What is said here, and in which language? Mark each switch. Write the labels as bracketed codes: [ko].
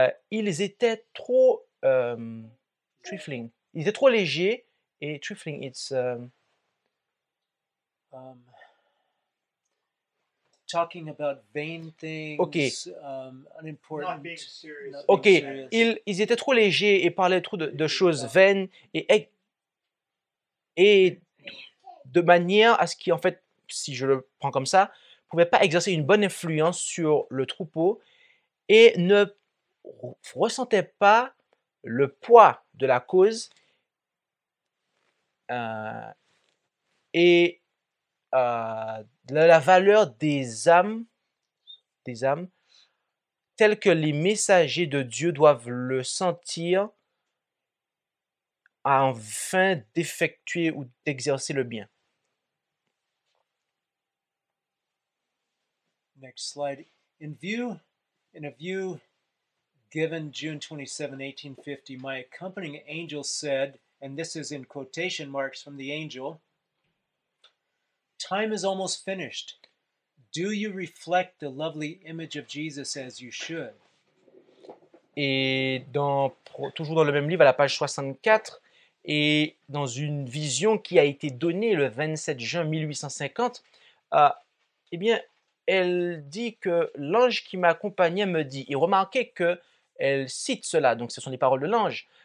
[fr] Ils étaient trop... trifling. Il était trop léger et trifling, [en] it's talking about vain things. Okay. Unimportant. Not being serious. Okay. [fr] Ils étaient trop légers et parlaient trop de choses vaines et de manière à ce qui, en fait, si je le prends comme ça, pouvait pas exercer une bonne influence sur le troupeau et ne ressentait pas le poids de la cause et la valeur des âmes telles que les messagers de Dieu doivent le sentir afin d'effectuer ou d'exercer le bien. [en] Next slide. In a view given June 27, 1850, my accompanying angel said, and this is in quotation marks from the angel, time is almost finished. Do you reflect the lovely image of Jesus as you should? [fr] Et dans, toujours dans le même livre, à la page 64, et dans une vision qui a été donnée le 27 juin 1850, elle dit que l'ange qui m'accompagnait me dit, et remarquez que elle cite cela, donc ce sont les paroles de l'ange.